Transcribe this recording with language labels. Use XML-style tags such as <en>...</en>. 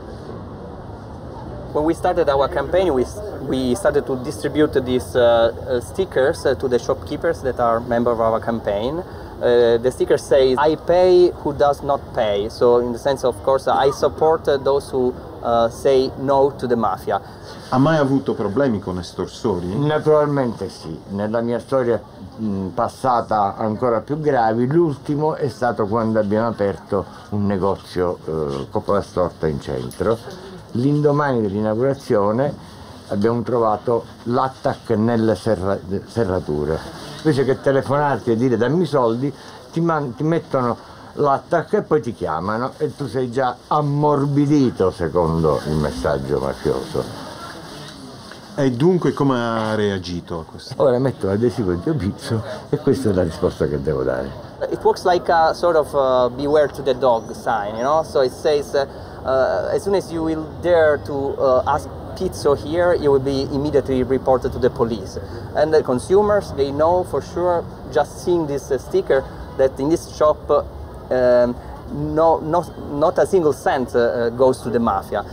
<en>When we started our campaign, we started to distribute these stickers to the shopkeepers that are members of our campaign. The sticker says, "I pay who does not pay." So in the sense, of course, I support those who say no to the mafia.</en> <it>Ha mai avuto problemi con estorsori? Naturalmente sì. Nella mia storia passata ancora più gravi, l'ultimo è stato quando abbiamo aperto un negozio Coppola Storta in centro. L'indomani dell'inaugurazione abbiamo trovato l'attac nelle serrature. Invece che telefonarti e dire dammi i soldi, ti mettono l'attacco e poi ti chiamano e tu sei già ammorbidito secondo il messaggio mafioso. E dunque come ha reagito a questo? Ora metto l'adesivo di Obizzo e questa è la risposta che devo dare.</it> <en>It works like a sort of beware to the dog sign, you know? So it says as soon as you will dare to ask pizza here, you will be immediately reported to the police. And the consumers, they know for sure, just seeing this sticker, that in this shop not a single cent goes to the mafia.</en>